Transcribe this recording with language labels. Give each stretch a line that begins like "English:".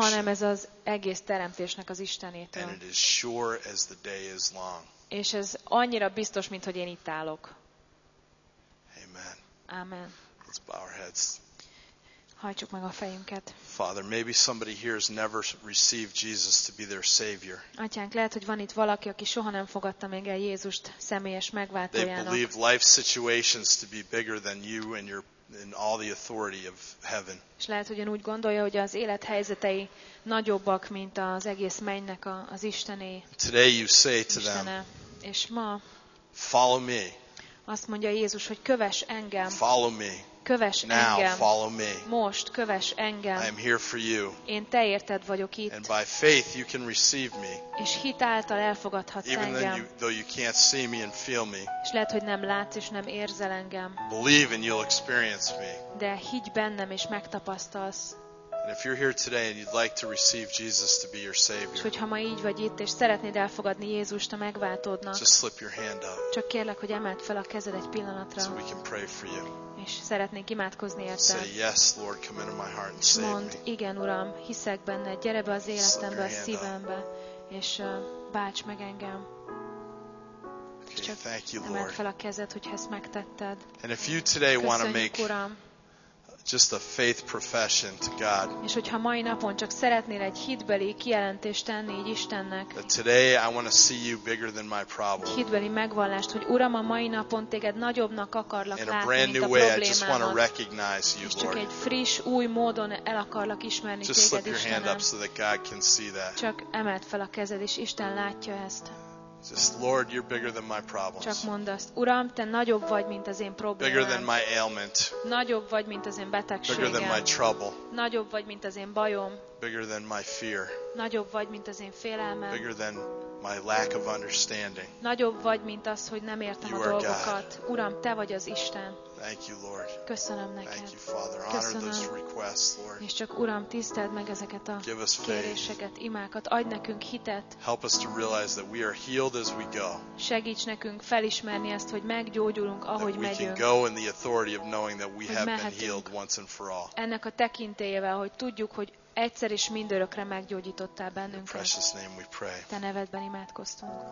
Hungarian: hanem ez az egész teremtésnek az Istenétől. And it is sure as the day is long. És ez annyira biztos, mint hogy én itt állok. Amen. Amen.
English: Let's bow our heads.
Hungarian: Hajtsuk meg a fejünket.
English: Father, maybe somebody here has never received Jesus to be their savior.
Hungarian: Atyánk, lehet, hogy van itt valaki, aki soha nem fogadta még el Jézust személyes megváltójának.
English: They believe life situations to be bigger than you and your and all the authority of heaven.
Hungarian: És lehet, hogy úgy gondolja, hogy az élethelyzetei nagyobbak, mint az egész mennynek az Istené.
English: Today you say to them.
Hungarian: És ma
English: follow me.
Hungarian: Azt mondja Jézus, hogy kövess engem.
English: Follow me.
Hungarian: Kövess
English: now,
Hungarian: engem.
English: Follow me.
Hungarian: Most kövess engem.
English: I am here for you.
Hungarian: Én te érted vagyok itt.
English: And by faith you can receive me.
Hungarian: És hit által elfogadhatsz
English: even
Hungarian: engem.
English: Even though you can't see me and feel me.
Hungarian: És lehet, hogy nem látsz és nem érzel engem.
English: Believe and you'll experience me.
Hungarian: De higgy bennem és megtapasztalsz.
English: And if you're here today and you'd like to receive Jesus to be your savior.
Hungarian: És hogyha ma így vagy itt és szeretnéd elfogadni Jézust a megváltódnak.
English: Just slip your hand up.
Hungarian: Csak kérlek, hogy emeld fel a kezed egy pillanatra.
English: So we can pray for you.
Hungarian: És szeretnénk imádkozni érte.
English: Say yes, Lord, come into my heart and save me.
Hungarian: Mondd, igen, Uram, hiszek benne, gyere be az életembe, a szívembe, és bálts meg engem.
English: Okay,
Hungarian: csak
English: thank you, Lord.
Hungarian: Emeld fel a kezed, hogyha ezt megtetted.
English: And if you today want to make
Hungarian: Uram,
English: just a faith profession to God.
Hungarian: És hogyha mai napon csak szeretnél egy hitbeli kijelentést tenni így Istennek.
English: That today I want to see you bigger than my problem.
Hungarian: Hitbeli megvallást, hogy Uram, a mai napon téged nagyobbnak akarlak
English: in
Hungarian: látni,
English: a brand new
Hungarian: mint a
English: way, I just want to recognize you, Lord.
Hungarian: Csak egy friss, új módon el akarlak ismerni
English: just
Hungarian: téged,
English: slip your hand up so that God can see that.
Hungarian: Csak emeld fel a kezed, és Isten látja ezt.
English: Just, Lord, you're bigger than my problems.
Hungarian: Csak mondd azt, Uram, te nagyobb vagy, mint az én problémám.
English: Bigger than my ailment.
Hungarian: Nagyobb vagy, mint az én betegségem.
English: Bigger than my trouble.
Hungarian: Nagyobb vagy, mint az én bajom.
English: Bigger than my fear.
Hungarian: Nagyobb vagy, mint az én félelmem.
English: Bigger than my lack of understanding.
Hungarian: Nagyobb vagy, mint az, hogy nem értem
English: you
Hungarian: a dolgokat.
English: God.
Hungarian: Uram, te vagy az Isten.
English: Thank you, Lord.
Hungarian: Köszönöm neked.
English: Thank you, Father. Honor
Hungarian: Köszönöm.
English: Those requests, Lord.
Hungarian: És csak Uram, tiszteld meg ezeket a kéréseket, imákat. Adj nekünk hitet.
English: Help us to realize that we are healed as we go.
Hungarian: Segíts nekünk felismerni ezt, hogy meggyógyulunk, ahogy megyünk.
English: That we can go in the authority of knowing that we have been healed once and for all.
Hungarian: Ennek a tekintélyével, hogy tudjuk, hogy egyszer és mindörökre meggyógyítottál bennünket.
English: Precious name we pray.
Hungarian: Te nevedben imádkoztunk.